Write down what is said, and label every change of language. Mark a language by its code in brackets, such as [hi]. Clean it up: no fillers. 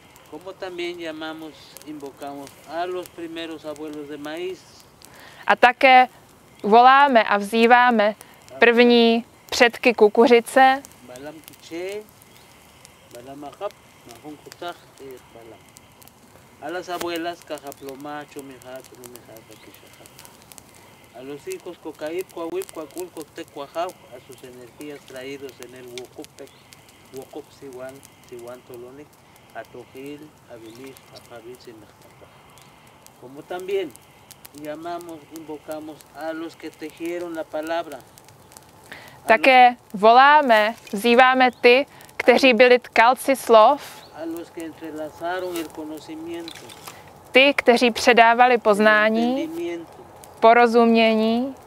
[es] como también llamamos, invocamos a los primeros abuelos de maíz. [cs] A také voláme a vzýváme první předky kukuřice. [es] Balam kiche, balam akap, mahun kutak, ir balam. A las abuelas kajaploma, chumihá, trumihá, kishajá. A los hijos kokaip, kawip, kwakul, kote, kwajau, a sus energías traídos en el wokupek, wokup, siwan, siwan, tolonik, a tohil, a bilir, a pavil, simekapa. Como también llamamos, invocamos a los que tejieron la palabra. [cs] Také voláme, vzýváme ty, kteří byli tkalci slov. [es] A los que entrelazaron el conocimiento. [cs] Ty, kteří předávali poznání, porozumění